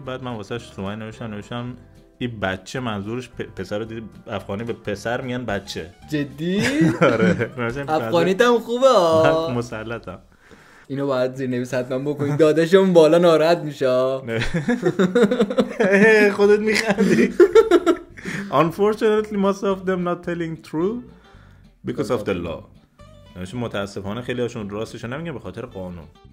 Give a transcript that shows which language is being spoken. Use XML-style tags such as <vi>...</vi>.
<fa>بعد من واسه اش سومایی نوشتم این بچه منظورش پسر رو دیدی افغانی به پسر میگن بچه. جدی؟ آره افغانیت هم خوبه من مسلط هم. اینو باید زیر نویس حتما بکنی، داداشم بالا ناراحت میشه. خودت میخندی.</fa> <en>Unfortunately most of them not telling true because of the law.</en> <fa>نوشته متاسفانه خیلی هاشون راستشو نمیگه به خاطر قانون.</fa>